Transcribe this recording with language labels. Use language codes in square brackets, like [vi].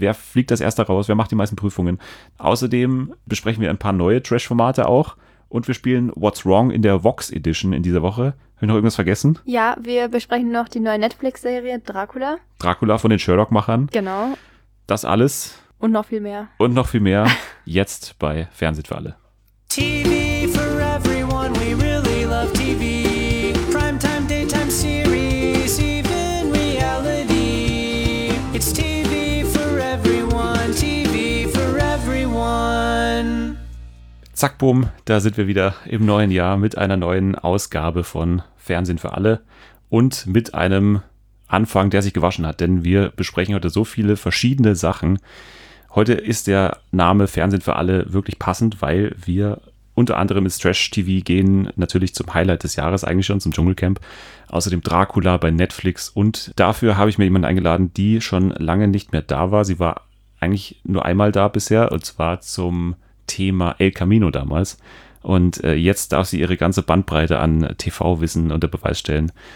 [de] Wer fliegt als Erster raus? Wer macht die meisten Prüfungen? Außerdem besprechen wir ein paar neue Trash-Formate auch und wir spielen What's Wrong in der Vox Edition in dieser Woche. Habe ich noch irgendwas vergessen? Ja, wir besprechen noch die neue Netflix-Serie Dracula. Dracula von den Sherlock-Machern. Genau. Das alles. Und noch viel mehr. Und noch viel mehr jetzt bei Fernsehen für alle. [en] TV for everyone, we really love TV. Primetime, daytime series, even reality. It's TV for everyone, TV for everyone. [de] Zack, boom, da sind wir wieder im neuen Jahr mit einer neuen Ausgabe von Fernsehen für alle und mit einem Anfang, der sich gewaschen hat, denn wir besprechen heute so viele verschiedene Sachen. Heute ist der Name Fernsehen für alle wirklich passend, weil wir unter anderem ins Trash-TV gehen, natürlich zum Highlight des Jahres eigentlich schon, zum Dschungelcamp, außerdem Dracula bei Netflix und dafür habe ich mir jemanden eingeladen, die schon lange nicht mehr da war. Sie war eigentlich nur einmal da bisher und zwar zum Thema El Camino damals und jetzt darf sie ihre ganze Bandbreite an TV-Wissen unter Beweis stellen.